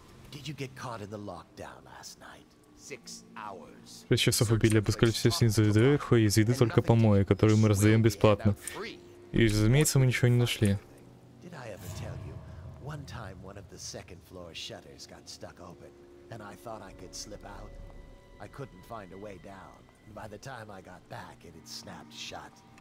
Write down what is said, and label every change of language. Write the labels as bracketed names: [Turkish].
[English] Did you get caught in the lockdown last night? 6 hours. [Russian] 6 часов убили, обыскали все снизу вверху, из еды только помои, которые мы раздаем бесплатно. И разумеется, мы ничего не нашли. [English] Did I ever tell you, one time one of the second floor shutters got stuck open, and I thought I could slip out. I couldn't find a way down. By the time I got back, it had snapped shut.